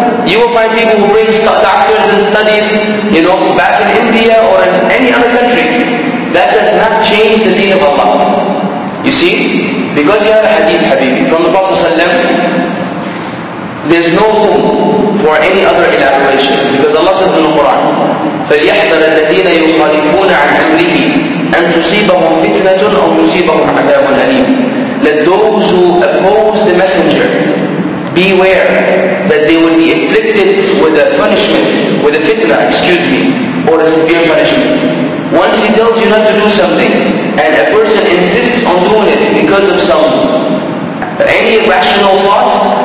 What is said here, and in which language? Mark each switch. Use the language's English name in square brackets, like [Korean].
[English] You will find people who bring doctors and studies, you know, back in India or in any other country. That does not change the deen of Allah. You see, because you have a hadith, Habibi, from the Prophet ﷺ, there's no room for any other elaboration. Because Allah says in the Quran, [Arabic] فَلْيَحْذَرَ الَّذِينَ يُخَالِفُونَ عَنْ أَمْرِهِ أَنْ تُصِيبَهُمْ فِتْنَةٌ أَوْ تُصِيبَهُمْ عَذَابٌ أَلِيمٌ. [English] Let those who oppose the messenger beware that they will be afflicted with a punishment, with a fitna, excuse me, or a severe punishment. Once he tells you not to do something, and a person insists on doing it because of some, any rational thoughts,